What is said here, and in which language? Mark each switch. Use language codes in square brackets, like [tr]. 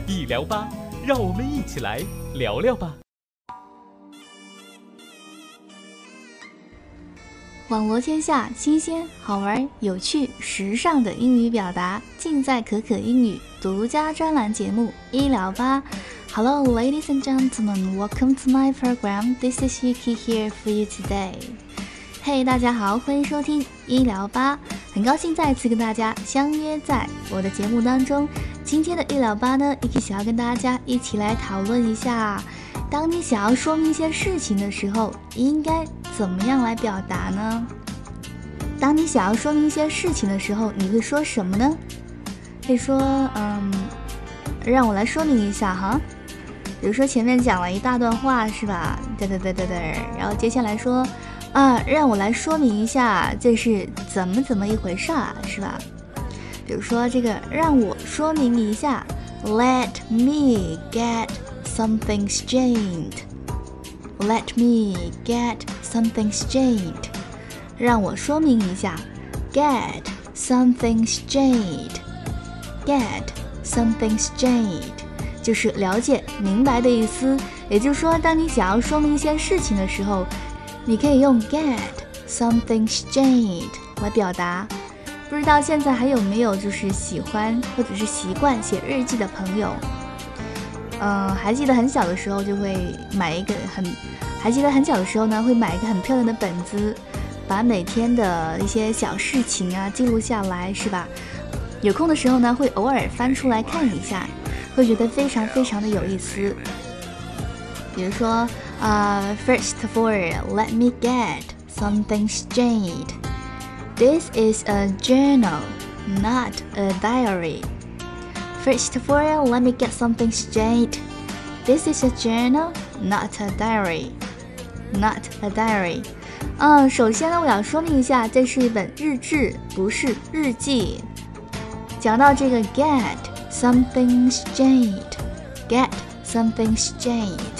[zh] 医疗吧，让我们一起来聊聊吧。网罗天下新鲜好玩有趣时尚的英语表达，尽在可可英语独家专栏节目医疗吧。 [en] Hello ladies and gentlemen, welcome to my program. This is Yuki here for you today. [zh] Hey, 大家好，欢迎收听医疗吧，很高兴再次跟大家相约在我的节目当中。今天的医疗吧呢， Yuki 想要跟大家一起来讨论一下，当你想要说明一些事情的时候应该怎么样来表达呢？当你想要说明一些事情的时候你会说什么呢？可以说让我来说明一下哈。比如说前面讲了一大段话是吧，对对对对对，然后接下来说让我来说明一下这是怎么怎么一回事啊，是吧。比如说这个让我说明一下， [en] Let me get something straight, Let me get something straight, [zh] 让我说明一下， [en] Get something straight, Get something straight, [zh] 就是了解明白的意思。也就是说当你想要说明一些事情的时候你可以用 get something straight 来表达。不知道现在还有没有就是喜欢或者是习惯写日记的朋友，还记得很小的时候就会买一个很还记得很小的时候呢会买一个很漂亮的本子，把每天的一些小事情啊记录下来是吧，有空的时候呢会偶尔翻出来看一下，会觉得非常非常的有意思。比如说 [en] first of all, let me get something straight. This is a journal, not a diary. First of all, let me get something straight. This is a journal, not a diary. Not a diary. [zh] 首先呢我要说明一下，这是一本日志，不是日记。讲到这个 [en] get something straight, get something straight.